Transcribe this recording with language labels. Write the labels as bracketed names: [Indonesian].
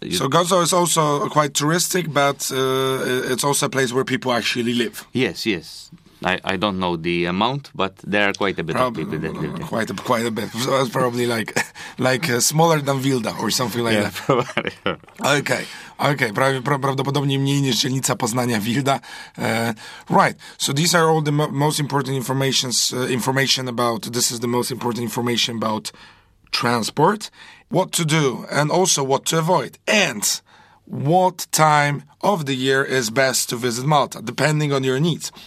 [English] So Gozo is also quite touristic, but it's also a place where people actually live. Yes, yes. I don't know the amount, but there are quite a bit of people that live there. Quite a bit. So it's probably like smaller than Wilda or something like that. Probably. Okay. [Polish] Prawdopodobnie mniej niż dzielnica Poznania Wilda. [English] Right. So these are all the most important information about. This is the most important information about transport, what to do, and also what to avoid, and what time of the year is best to visit Malta, depending on your needs.